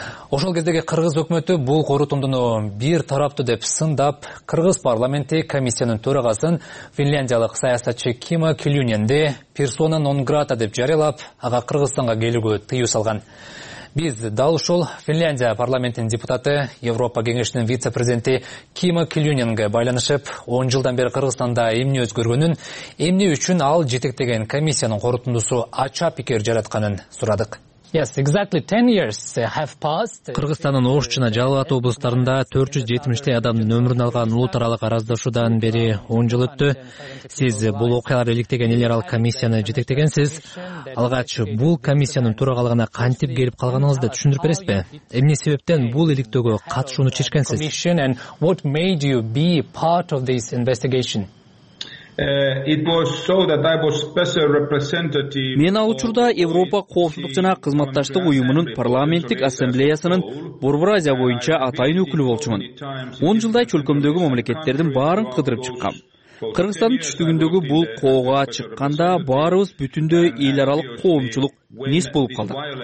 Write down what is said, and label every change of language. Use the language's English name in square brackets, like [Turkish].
[Kyrgyz] Ошол кездеги кыргыз өкмөтү бул корутундуну бир тараптуу деп сындап, кыргыз парламенти комиссиянын төрагасын финляндиялык саясатчы Кима Килюненди персона нон грата деп жарыялап, ага Кыргызстанга келүүгө тыюу салган. Биз дал ушул Финляндия парламентинин депутаты, Европа кеңешинин вице-президенти Кима Килюненге байланышып, 10 жылдан бери Кыргызстанда эмне өзгөргөнүн, эмне үчүн ал жетектеген комиссиянын корутундусу ача пикир жаратканын сурадык. [English] Yes, exactly 10 years have passed. [Kyrgyz] Кыргызстандын Ош жана Жалалабад облустарында 470 адамдын өмүрүн алган улутаралык араздашуудан бери 10 жыл өттү. Сиз бул окуяларды иликтеген эл аралык комиссияны жетектегенсиз. Алгач бул комиссиянын төрагалыгына кантип келип калганыңызды түшүндүрүп бересизби? Эмне себептен бул иликтөөгө катышууну чечкенсиз? [English] And what made you be part of this investigation? [Kyrgyz] Мен ал учурда Европа коопсуздук жана кызматташтык уюмунун парламенттик ассамблеясынын Борбор Азия боюнча атайын өкүлү болчумун. 10 жылдай чөлкөмдөгү мамлекеттердин баарын кыдырып чыккам. Кыргызстандын түштүгүндөгү бул кооуга чыкканда баарыбыз бүтүндөй эл аралык коомчулук мес болуп калдык.